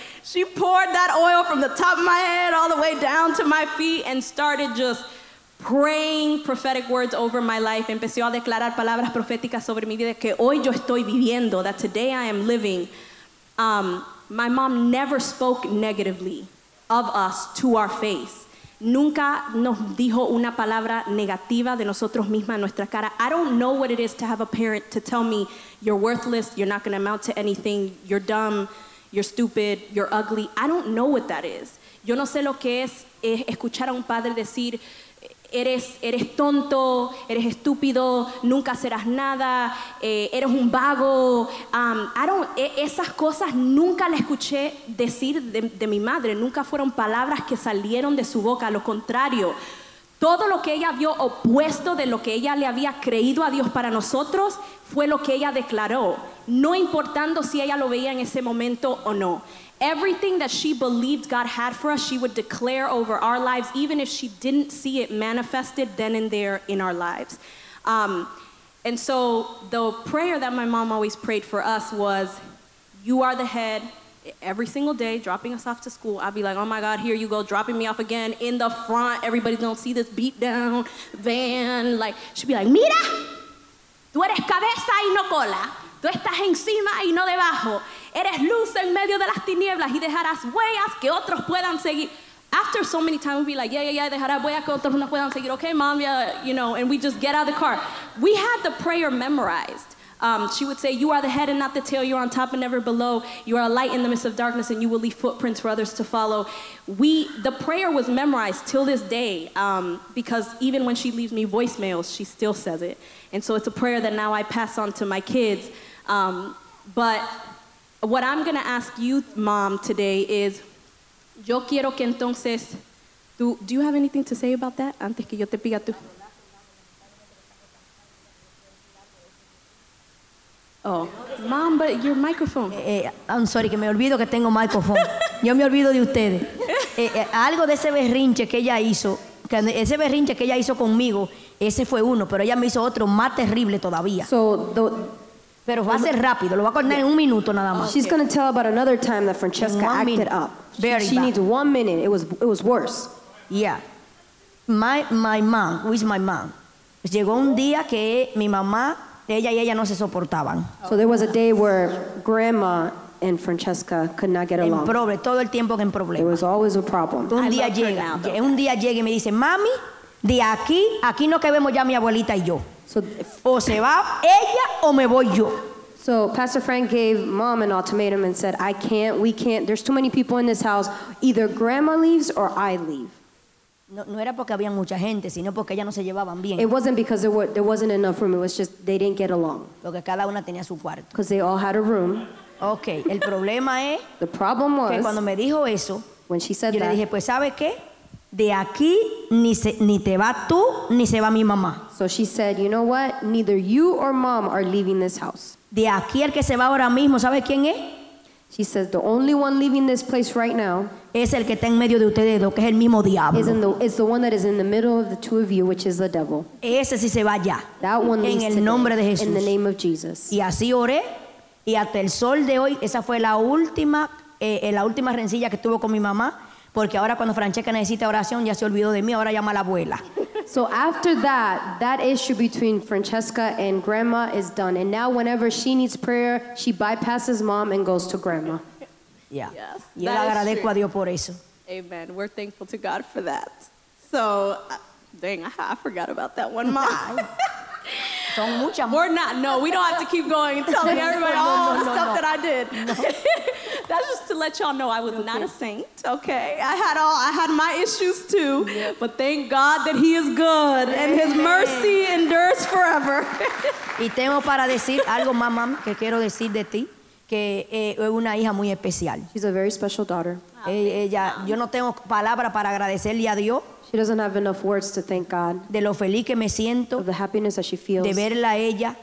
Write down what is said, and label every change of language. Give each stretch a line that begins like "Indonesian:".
English: She poured that oil from the top of my head all the way down to my feet and started just praying prophetic words over my life.
Spanish: Empezó a declarar palabras proféticas sobre mi vida, que hoy yo estoy viviendo,
English: that today I am living. My mom never spoke negatively of us to our face.
Spanish: Nunca nos dijo una palabra negativa de nosotros mismas, nuestra cara.
English: I don't know what it is to have a parent to tell me you're worthless, you're not going to amount to anything, you're dumb, you're stupid, you're ugly. I don't know what that is.
Spanish: Yo no sé lo que es escuchar a un padre decir, eres tonto, eres estúpido, nunca serás nada, eres un vago. Esas cosas nunca las escuché decir de mi madre. Nunca fueron palabras que salieron de su boca. Lo contrario, todo lo que ella vio opuesto de lo que ella le había creído a Dios para nosotros fue lo que ella declaró, no importando si ella lo veía en ese momento o no.
English: Everything that she believed God had for us, she would declare over our lives, even if she didn't see it manifested then and there in our lives. And so the prayer that my mom always prayed for us was, you are the head, every single day, dropping us off to school. I'd be like, oh my God, here you go, dropping me off again in the front. Everybody's gonna see this beat down van. Like, she'd be like,
Spanish: mira, tú eres cabeza y no cola. Tú estás encima y no debajo. Eres luz en medio de las tinieblas y dejarás huellas que otros puedan seguir.
English: After so many times, we'd be like, yeah,
Spanish: dejarás huellas que otros no puedan seguir.
English: Okay, mom, yeah, you know, and we just get out of the car. We had the prayer memorized. She would say, you are the head and not the tail. You are on top and never below. You are a light in the midst of darkness, and you will leave footprints for others to follow. The prayer was memorized till this day, because even when she leaves me voicemails, she still says it. And so it's a prayer that now I pass on to my kids. But what I'm going to ask you, mom, today is,
Spanish: yo quiero que entonces,
English: do you have anything to say about that?
Spanish: Antes que yo te pida tu...
English: Oh, mom, but your microphone. I'm sorry,
Spanish: que me olvido que tengo microphone. Yo me olvido de ustedes. Algo de ese berrinche que ella hizo, conmigo, ese fue uno, pero ella me hizo otro más terrible todavía. Pero va a ser rápido, lo va a contar en un minuto nada más.
English: She's going to tell about another time that Francesca acted up. She needs 1 minute. It was worse. Yeah. My mom.
Spanish: Llegó un día que mi mamá, ella y ella no se soportaban.
English: So there was a day where Grandma and Francesca could not get along.
Spanish: Todo el tiempo en problema.
English: It was always a problem.
Spanish: Un día llega y me dice, mami, de aquí no cabemos ya mi abuelita y yo. So, o se va ella o me voy yo.
English: So Pastor Frank gave mom an ultimatum and said, we can't, there's too many people in this house. Either Grandma leaves or I leave.
Spanish: No era porque había mucha gente, sino porque ellas no se llevaban bien.
English: It wasn't because there wasn't enough room. It was just they didn't get along.
Spanish: Porque cada una tenía su cuarto.
English: Because they all had a room.
Spanish: Okay. El problema es.
English: The problem was.
Spanish: Que cuando me dijo eso.
English: When she said
Spanish: yo
English: that.
Spanish: Yo le dije, pues sabes qué, de aquí ni te vas tú ni se va mi mamá.
English: So she said, you know what? Neither you or mom are leaving this house.
Spanish: De aquí el que se va ahora mismo, ¿sabes quién es?
English: She says the only one leaving this place right now
Spanish: es el que está en medio de ustedes dos, que es el mismo diablo.
English: Is the one that is in the middle of the two of you, which is the devil.
Spanish: Ese sí se va ya.
English: That one
Spanish: en el nombre de Jesús.
English: In the name of Jesus.
Spanish: Y así oré, y hasta el sol de hoy esa fue la última rencilla que tuvo con mi mamá, porque ahora cuando Francesca necesita oración ya se olvidó de mí, ahora llama a la abuela.
English: So after that issue between Francesca and Grandma is done. And now whenever she needs prayer, she bypasses mom and goes to Grandma. Yeah. Yes,
Spanish: yo le agradezco true. A Dios por eso.
English: Amen. We're thankful to God for that. So, dang, I forgot about that one, mom.
Spanish: Son muchas.
English: We're not, no, we don't have to keep going and telling everybody all the stuff that I did. No. That's just to let y'all know I was not a saint, okay? I had my issues too, yep. But thank God that he is good and his mercy endures forever.
Spanish: Y tengo para decir algo, mamá, que quiero decir de ti. que es una hija muy especial.
English: She's a very special daughter.
Spanish: Ella, yo no tengo palabra para agradecerle a Dios.
English: She doesn't have enough words to thank God.
Spanish: De lo feliz que me siento.
English: Of the happiness that she feels.
Spanish: De verla a ella.